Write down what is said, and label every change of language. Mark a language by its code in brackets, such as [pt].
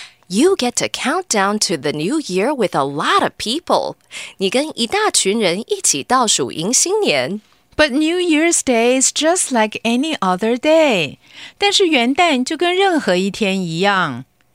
[en] You get to count down to the new year with a lot of people. [zh] 你跟一大群人一起倒数迎新年。 [en] But New Year's Day is just like any other day. [zh] 但是元旦就跟任何一天一样。